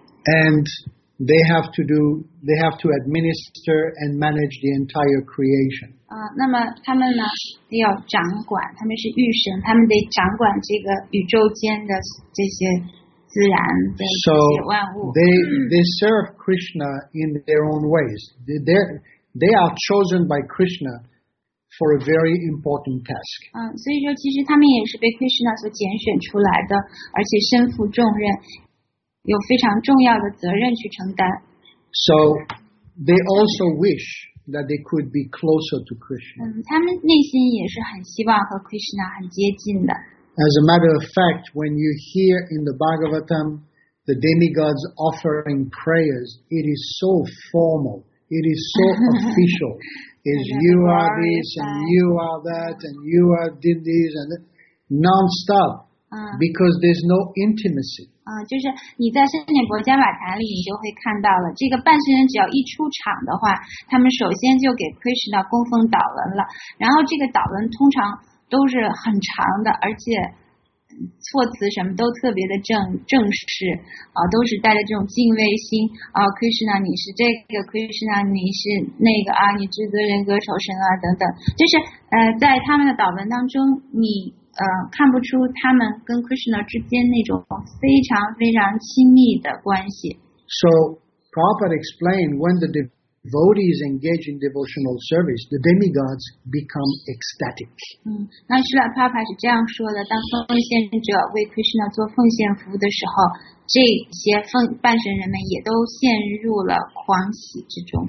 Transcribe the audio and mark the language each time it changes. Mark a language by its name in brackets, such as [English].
[English] And they have to administer and manage the entire creation. [Chinese] 那么他们呢要掌管，他们是御神，他们得掌管这个宇宙间的这些自然的这些万物。 [English] So they serve Krishna in their own ways. They are chosen by Krishna for a very important task. [Chinese] 所以说其实他们也是被 Krishna 所拣选出来的，而且身负重任，有非常重要的责任去承担。 [English] So they also wish that they could be closer to Krishna. [Chinese] 他们内心也是很希望和 Krishna 很接近的。 [English] As a matter of fact, when you hear in the Bhagavatam the demigods offering prayers, it is so formal, it is so official. Is you are this and you are that and you are did this and non-stop. Because there's no intimacy. [Chinese] 就是你在圣殿国家瓦坛里，你就会看到了，这个半仙人只要一出场的话，他们首先就给 Krishna 供奉祷文了，然后这个祷文通常都是很长的，而且措辞什么都特别的正式，都是带着这种敬畏心啊 ，Krishna 你是这个 ，Krishna 你是那个啊，你至尊人格首身啊等等，就是在他们的祷文当中，你看不出他们跟 Krishna 之间那种非常非常亲密的关系。 [English] So Prabhupada explained when the devotees engage in devotional service, the demigods become ecstatic. [Chinese] 那是啦 ，Prabhupada 是这样说的：当奉献者为 Krishna 做奉献服务的时候，这些半神人们也都陷入了狂喜之中。